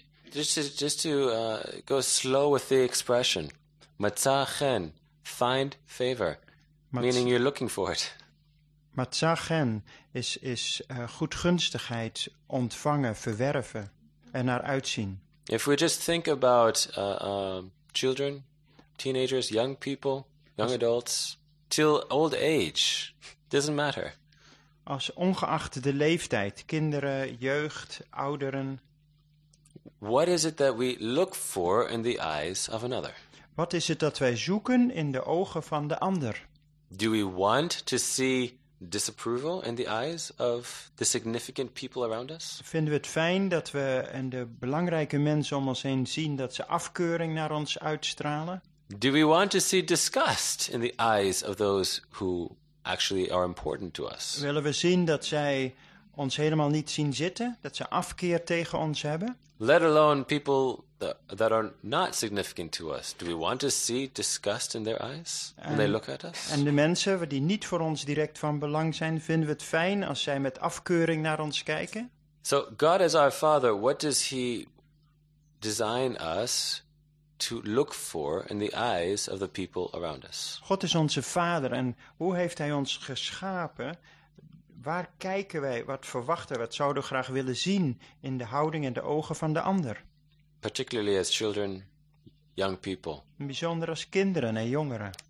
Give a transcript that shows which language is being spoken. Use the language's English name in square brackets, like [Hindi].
[English] Just to go slow with the expression, matza chen, find favor. Meaning you're looking for it. [Dutch] Matzagen is goedgunstigheid ontvangen, verwerven en naar uitzien. [English] If we just think about children, teenagers, young people, young adults, till old age, doesn't matter. [Dutch] Als ongeacht de leeftijd, kinderen, jeugd, ouderen. [English] What is it that we look for in the eyes of another? [Dutch] Wat is het dat wij zoeken in de ogen van de ander? [English] Do we want to see disapproval in the eyes of the significant people around us? [Dutch] Vinden we het fijn dat we en de belangrijke mensen om ons heen zien dat ze afkeuring naar ons uitstralen? [English] Do we want to see disgust in the eyes of those who actually are important to us? [Dutch] Willen we zien dat zij ons helemaal niet zien zitten, dat ze afkeer tegen ons hebben? [English] Let alone people that are not significant to us. Do we want to see disgust in their eyes when they look at us? [Dutch] En de mensen die niet voor ons direct van belang zijn, vinden we het fijn als zij met afkeuring naar ons kijken? [English] So God as our Father, what does He design us to look for in the eyes of the people around us? [Dutch] God is onze Vader en hoe heeft Hij ons geschapen? Waar kijken wij, wat verwachten, wat zouden we graag willen zien in de houding en de ogen van de ander? [English] Particularly as children, young people. [Dutch] En bijzonder als kinderen en jongeren.